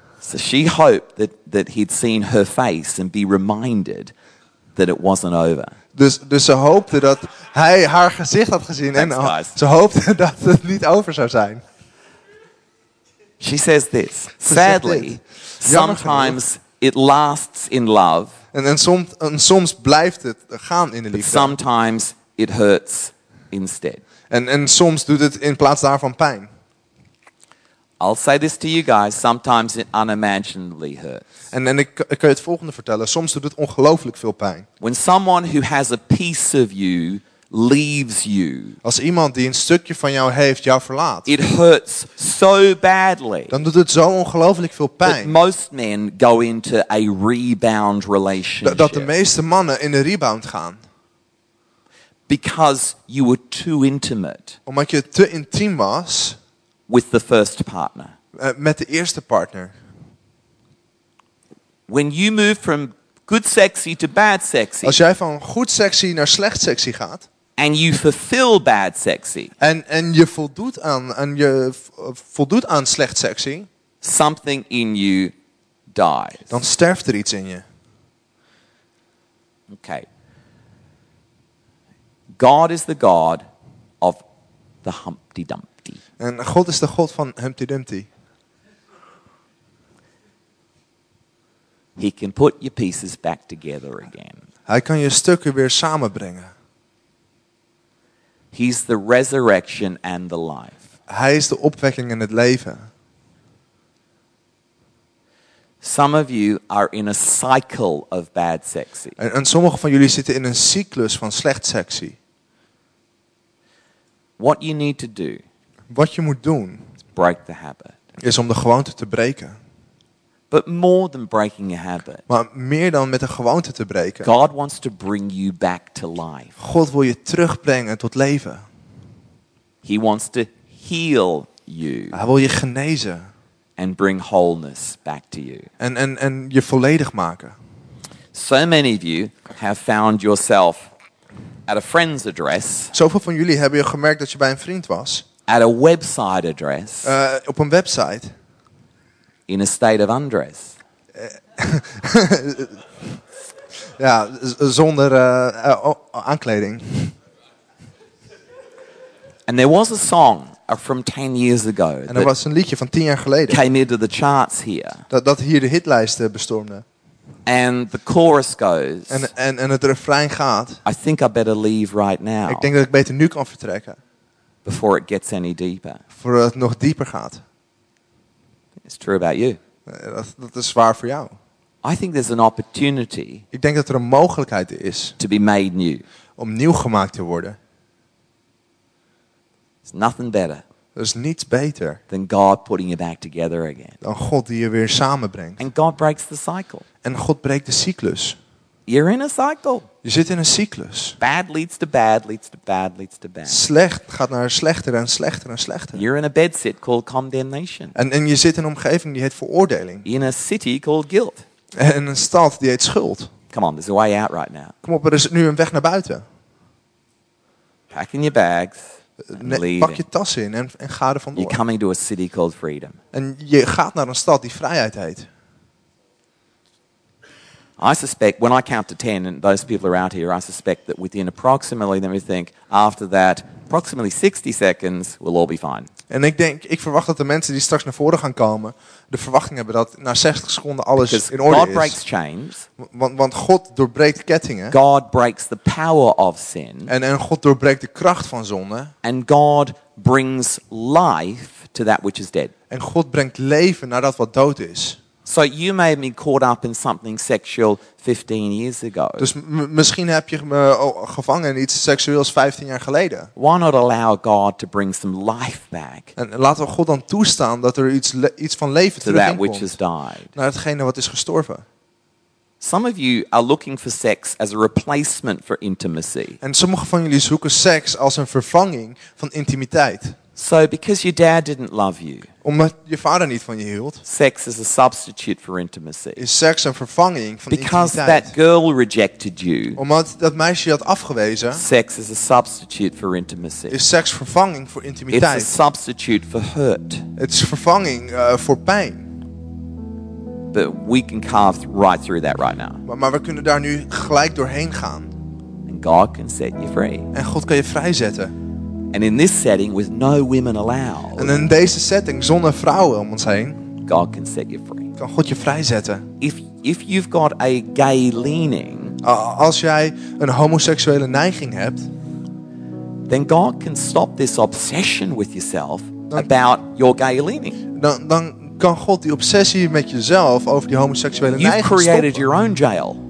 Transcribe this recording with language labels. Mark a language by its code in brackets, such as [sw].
[en] So she hoped that he'd seen her face and be reminded that it wasn't over. [nl] Dus ze hoopte dat hij haar gezicht had gezien. [en] Thanks, [nl] en ze hoopte dat het niet over zou zijn. [en] She says this. Sadly, sometimes it lasts in love. [nl] En soms blijft het gaan in de liefde. [en] But sometimes it hurts instead. [nl] En soms doet het in plaats daarvan pijn. [en] I'll say this to you guys. Sometimes it unimaginably hurts. [nl] En ik kan je het volgende vertellen. Soms doet het ongelooflijk veel pijn. [en] When someone who has a piece of you leaves you. [nl] Als iemand die een stukje van jou heeft jou verlaat. [en] It hurts so badly. [nl] Dan doet het zo ongelooflijk veel pijn. [en] That most men go into a rebound relationship. [nl] Dat de meeste mannen in een rebound gaan. [en] Because you were too intimate. [nl] Omdat je te intiem was. [en] With the first partner. [nl] Met de eerste partner. [en] When you move from good sexy to bad sexy. [nl] Als jij van goed sexy naar slecht sexy gaat. [en] And you fulfill bad sexy. [nl] En je voldoet aan slecht sexy. [en] Something in you dies. [nl] Dan sterft er iets in je. [en] Okay. God is the God of the Humpty Dumpty. [nl] En God is de God van Humpty Dumpty. [en] He can put your pieces back together again. [nl] Hij kan je stukken weer samenbrengen. [en] He's the resurrection and the life. [nl] Hij is de opwekking en het leven. [en] Some of you are in a cycle of bad sexy. [nl] En sommige van jullie zitten in een cyclus van slecht sexy. [en] What you need to do. [nl] Wat je moet doen. [en] Break the habit. [nl] Is om de gewoonte te breken. [en] But more than breaking a habit. [nl] Maar meer dan met een gewoonte te breken. [en] God wants to bring you back to life. [nl] God wil je terugbrengen tot leven. [en] He wants to heal you. [nl] Hij wil je genezen. [en] And bring wholeness back to you. [nl] En je volledig maken. [en] So many of you have found yourself at a friend's address. [nl] Zoveel van jullie hebben gemerkt dat je bij een vriend was. [en] At a website address. [nl] Op een website. [en] In a state of undress. [nl] Ja, zonder aankleding. [en] And there was a song from 10 years ago. [nl] En er was een liedje van 10 jaar geleden. [en] Came into the charts here. [nl] Dat hier de hitlijsten bestormde. [en] And the chorus goes. [nl] En het refrein gaat. [en] I think I better leave right now. [nl] Ik denk dat ik beter nu kan vertrekken. [en] Before it gets any deeper. [nl] Voordat het nog dieper gaat. [en] It's true about you. [nl] Dat is waar voor jou. [en] I think there's an opportunity. [nl] Ik denk dat er een mogelijkheid is. [en] To be made new. [nl] Om nieuw gemaakt te worden. [en] There's nothing better. [nl] Er is niets beter. [en] Than God putting you back together again. [nl] Dan God die je weer samenbrengt. [en] And God breaks the cycle. [nl] En God breekt de cyclus. [en] You're in a cycle. [nl] Je zit in een cyclus. [en] Bad leads to bad, leads to bad, leads to bad. [nl] Slecht gaat naar slechter en slechter en slechter. [en] You're in a bedsit called condemnation. [nl] En je zit in een omgeving die heet veroordeling. [en] In a city called guilt. [nl] En in een stad die heet schuld. [en] Come on, there's a way out right now. [nl] Kom op, er is nu een weg naar buiten. [en] Pack in your bags. [nl] Pak je tas in en ga er vandoor. [en] You're coming to a city called freedom. [nl] En je gaat naar een stad die vrijheid heet. [en] I suspect when I count to 10 and those people are out here, I suspect that within approximately, let me think, after that, approximately 60 seconds, we'll all be fine. [nl] En ik verwacht dat de mensen die straks naar voren gaan komen, de verwachting hebben dat na 60 seconden alles [en] Because [nl] in orde [en] God [nl] is. [en] Breaks chains, [nl] want God doorbreekt kettingen. [en] God breaks the power of sin, [nl] en God doorbreekt de kracht van zonde. [en] And God brings life to that which is dead. [nl] En God brengt leven naar dat wat dood is. [en] So you may have been caught up in something sexual 15 years ago. [nl] Dus misschien heb je me gevangen in iets seksueels 15 jaar geleden. [en] Why not allow God to bring some life back? [nl] En laten we God dan toestaan dat er iets van leven terugkomt. [en] To that which has died. [nl] Naar hetgene wat is gestorven. [en] Some of you are looking for sex as a replacement for intimacy. [nl] En sommige van jullie zoeken seks als een vervanging van intimiteit. [en] So because your dad didn't love you. [nl] Omdat je vader niet van je hield. [en] Sex is a substitute for intimacy. [nl] Is seks een vervanging van [en] because [nl] intimiteit. [en] Because that girl rejected you. [nl] Omdat dat meisje je had afgewezen. [en] Sex is a substitute for intimacy. [nl] Is seks vervanging voor intimiteit. [en] It's a substitute for hurt. [nl] Het is vervanging voor pijn. [en] But we can carve right through that right now. [nl] Maar we kunnen daar nu gelijk doorheen gaan. [en] And God can set you free. [nl] En God kan je vrijzetten. [en] And in this setting, with no women allowed. [nl] En in deze setting, zonder vrouwen om ons heen. [en] God can set you free. [nl] Kan God je vrijzetten. [en] If you've got a gay leaning. [nl] Als jij een homoseksuele neiging hebt. [en] Then God can stop this obsession with yourself about your gay leaning. [nl] Dan kan God die obsessie met jezelf over die homoseksuele neiging stoppen. [en] You've created your own jail.